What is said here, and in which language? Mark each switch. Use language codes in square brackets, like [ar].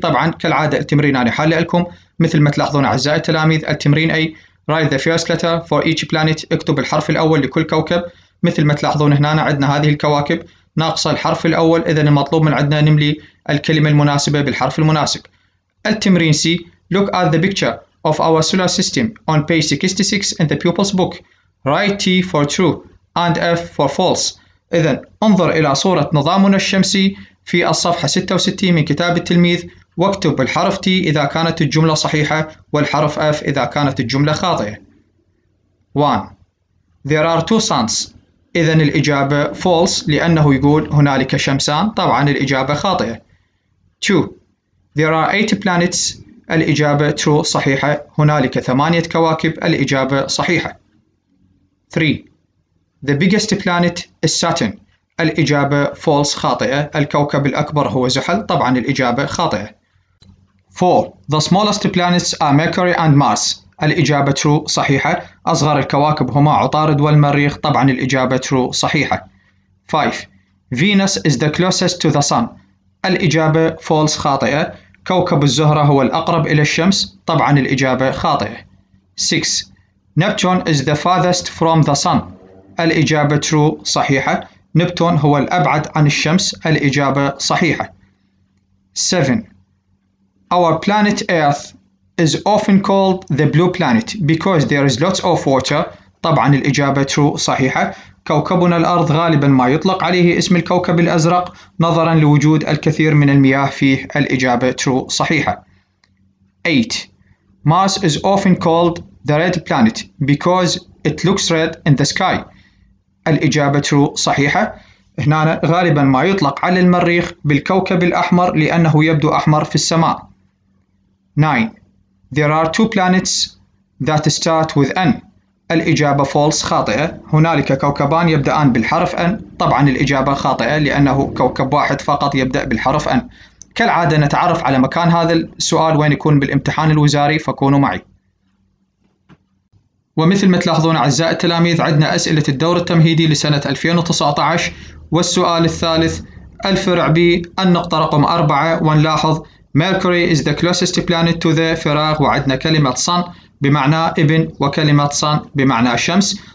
[ar] طبعا كالعادة التمرين أنا حل لكم مثل ما تلاحظون. أعزائي التلاميذ، التمرين A: [en] write the first letter for each planet، [ar] اكتب الحرف الأول لكل كوكب. مثل ما تلاحظون هنا عندنا هذه الكواكب ناقص الحرف الأول، إذن المطلوب من عندنا نملي الكلمة المناسبة بالحرف المناسب. التمرين [en] C: look at the picture of our solar system on page 66 in the pupil's book. Write T for true and F for false. [ar] إذن انظر إلى صورة نظامنا الشمسي في الصفحة 66 من كتاب التلميذ، واكتب الحرف T إذا كانت الجملة صحيحة والحرف F إذا كانت الجملة خاطئة. [en] 1. There are two suns. [ar] إذن الإجابة false لأنه يقول هنالك شمسان، طبعا الإجابة خاطئة. [en] 2. There are 8 planets. [ar] الإجابة true صحيحة، هنالك 8 كواكب، الإجابة صحيحة. [en] 3. The biggest planet is Saturn. [ar] الإجابة false خاطئة، الكوكب الأكبر هو زحل، طبعا الإجابة خاطئة. [en] 4. The smallest planets are Mercury and Mars. [ar] الإجابة true صحيحة، أصغر الكواكب هما عطارد والمريخ، طبعا الإجابة true صحيحة. [en] 5. Venus is the closest to the sun. [ar] الإجابة false خاطئة، كوكب الزهرة هو الأقرب إلى الشمس، طبعا الإجابة خاطئة. [en] 6. Neptune is the farthest from the sun. [ar] الإجابة true صحيحة، نبتون هو الأبعد عن الشمس، الإجابة صحيحة. [en] 7. Our planet Earth is often called the blue planet because there is lots of water. [ar] طبعا الإجابة true صحيحة، كوكبنا الأرض غالبا ما يطلق عليه اسم الكوكب الأزرق نظرا لوجود الكثير من المياه فيه، الإجابة true صحيحة. [en] 8. Mars is often called the red planet because it looks red in the sky. [ar] الإجابة true صحيحة، هنا غالبا ما يطلق على المريخ بالكوكب الأحمر لأنه يبدو أحمر في السماء. [en] 9. There are two planets that start with N. [ar] الإجابة false خاطئة، هنالك كوكبان يبدأان بالحرف N، طبعا الإجابة خاطئة لأنه كوكب واحد فقط يبدأ بالحرف N. كالعادة نتعرف على مكان هذا السؤال وين يكون بالامتحان الوزاري، فكونوا معي. ومثل ما تلاحظون أعزائي التلاميذ عندنا أسئلة الدور التمهيدي لسنة 2019، والسؤال الثالث الفرع B النقطة رقم 4، ونلاحظ [en] Mercury is the closest planet to the [ar] فراغ، وعندنا كلمة sun بمعنى ابن وكلمة sun بمعنى شمس.